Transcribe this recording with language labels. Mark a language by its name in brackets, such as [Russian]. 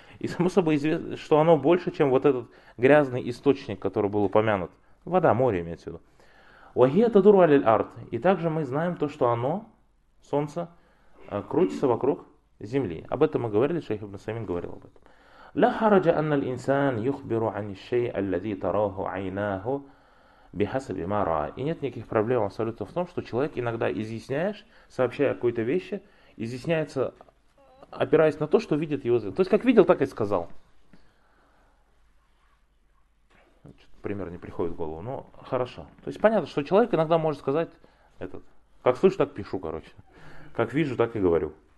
[Russian] И само собой известно, что оно больше, чем вот этот грязный источник, который был упомянут. Вода, море имеется в виду. [Arabic] Ва хия тадуру аль-ард. [Russian] И также мы знаем то, что оно, солнце, крутится вокруг земли. Об этом мы говорили, шейх ибн Усаймин говорил об этом. [Arabic] لا حرج أن الإنسان يخبر عن الشيء الذي تراه عيناه بحسب ما رأى. [Russian] И нет никаких проблем абсолютно в том, что человек иногда изъясняешь, сообщая какую-то вещь, изъясняется, опираясь на то, что видит его зрение. То есть как видел, так и сказал. Что-то пример не приходит в голову, но хорошо. То есть понятно, что человек иногда может сказать этот, как слышу, так пишу, короче. Как вижу, так и говорю.